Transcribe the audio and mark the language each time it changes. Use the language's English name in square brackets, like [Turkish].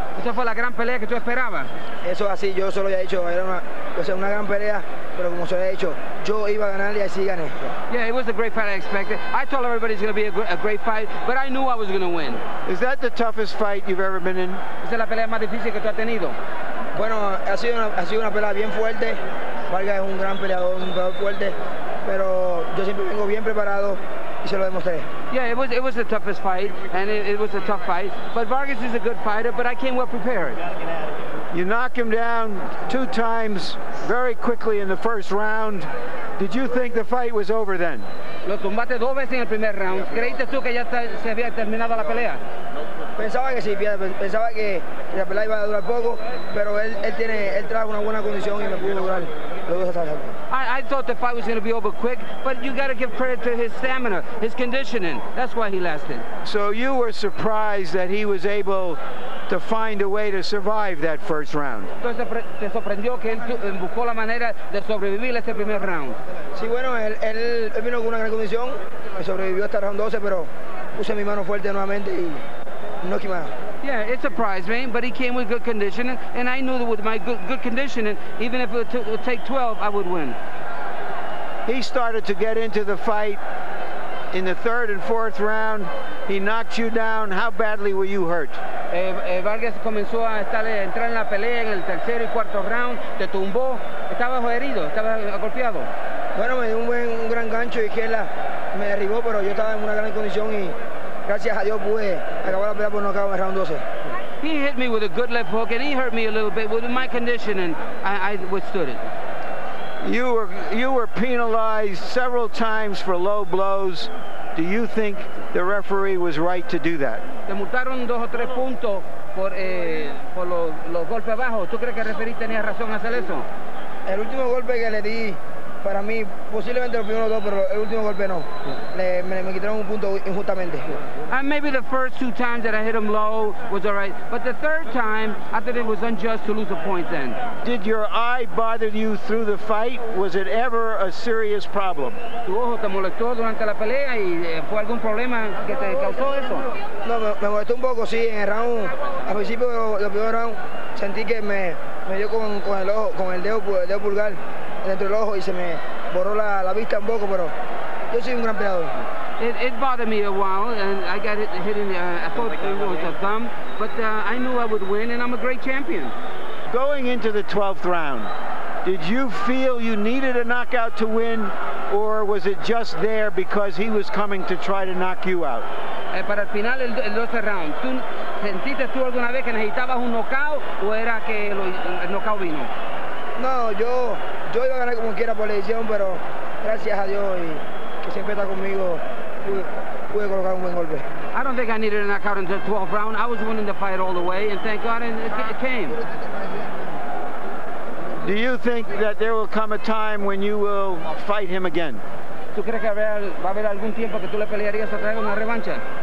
[Spanish] Esa fue la gran pelea que tú esperabas. Eso así, yo solo ya he dicho, era una gran pelea, pero como se ha dicho, yo iba a ganar y así gané. [English] Yeah, it was a great fight I expected. I told everybody it's going to be a great fight, but I knew I was going to win. Is that the toughest fight you've ever been in? [Spanish] Esa es la pelea más difícil que tú has tenido. Bueno, ha sido una pelea bien fuerte. Vargas es un gran peleador, un peleador fuerte, pero yo siempre vengo bien preparado. [English] Yeah, it was the toughest fight, and it was a tough fight. But Vargas is a good fighter, but I came well prepared. You knock him down two times very quickly in the first round. Did you think the fight was over then? [Spanish] Lo tumbaste dos veces en el primer round. ¿Creíste tú que ya se había terminado la pelea? Pensaba que sí, pensaba que la pelea iba a durar poco, pero él trajo una buena condición y me pudo durar los dos asaltos. [English] I thought the fight was going to be over quick, but you got to give credit to his stamina, his conditioning. That's why he lasted. So you were surprised that he was able to find a way to survive that first round. [Spanish] Te sorprendió que él buscó la manera de sobrevivir ese primer round. Sí, bueno, él vino con una gran condición, sobrevivió hasta round 12, pero puse mi mano fuerte nuevamente y no quema. [English] Yeah, it surprised me, but he came with good conditioning, and I knew that with my good conditioning, even if it would take 12, I would win. He started to get into the fight in the third and fourth round. He knocked you down. How badly were you hurt? [Spanish] Vargas comenzó a entrar en la pelea en el tercero y cuarto round. Te tumbó. Estabas herido. Estabas golpeado. Bueno, me dio un gran gancho izquierda. Me derribó, pero yo estaba en una gran condición y gracias a Dios pude acabar la pelea por no acabar en round 12. [English] He hit me with a good left hook and he hurt me a little bit with my conditioning. I withstood it. You were penalized several times for low blows. Do you think the referee was right to do that? [Spanish] Te multaron dos o tres puntos por los golpes abajo. ¿Tú crees que el referee tenía razón hacer eso? El último golpe que le di, para mí, posiblemente los primeros dos, pero el último golpe no. Me quitaron un punto injustamente. [English] And maybe the first two times that I hit him low was all right, but the third time, I thought it was unjust to lose a point then. Did your eye bother you through the fight? Was it ever a serious problem? [Spanish] ¿Tu ojo te molestó durante la pelea y fue algún problema que te causó eso? No, me molestó un poco, sí, en el round. Al principio, los primeros round, sentí que me dio con el ojo, con el dedo pulgar. Dentro del ojo y se me borró la vista un poco, pero yo soy un gran peleador. [English] It bothered me a while, and I got it hit in I thought it was a thumb, but I knew I would win, and I'm a great champion. Going into the 12th round, did you feel you needed a knockout to win, or was it just there because he was coming to try to knock you out? [Spanish] Para el final el 12th round, ¿tú sentiste tú alguna vez que necesitabas un knockout o era que el knockout vino? No, yo iba a ganar como quiera por la decisión, pero gracias a Dios y que siempre está conmigo, pude colocar un buen golpe. [English] I don't think I needed a knockout in the 12th round. I was winning the fight all the way, and thank God it came. Do you think that there will come a time when you will fight him again? [Spanish] ¿Tú crees que va a haber algún tiempo que tú le pelearías otra vez una revancha?